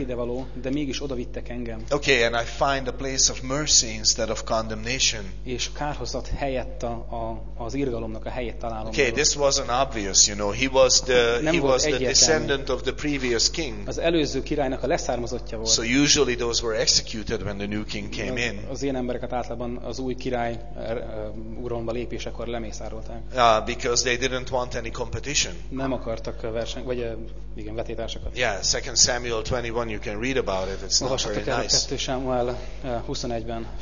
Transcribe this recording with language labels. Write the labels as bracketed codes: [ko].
[hu] Ide való, de mégis oda vittek engem. [en] Okay, and I find a place of mercy instead of condemnation. [hu] És kárhozat helyett az irgalomnak a helyét találom. [en] Okay, this wasn't obvious, you know. He was the descendant of the previous king. [hu] Az előző királynak a leszármazottja volt. [en] So usually those were executed when the new king came in. [hu] Az ilyen embereket általában az új király uralomba lépésekor lemészárolták. [en] Yeah, because they didn't want any competition. [hu] Nem akartak verseny, vagy igen, vetétársakat. [en] Yeah, 2 Samuel 21, you can read about it. It's not very nice.